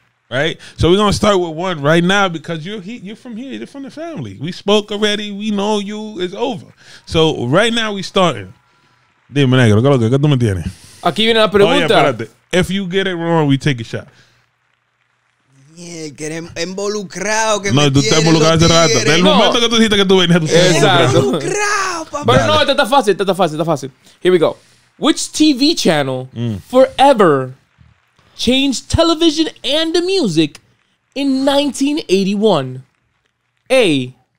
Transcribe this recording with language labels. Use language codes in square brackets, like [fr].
[en] Right, so we're gonna start with one right now because you're from here, you're from the family. We spoke already, we know you. It's over. So right now we starting. [es] Dime, negro, ¿qué tú me tienes? Aquí viene la pregunta. Oye, espérate. [en] If you get it wrong, we take a shot. [es] Involucrado. Del momento que tú dijiste que tú venías. Exacto. Involucrado, papá. Pero no, está fácil. [en] Here we go. Which TV channel forever changed television and the music in 1981. A.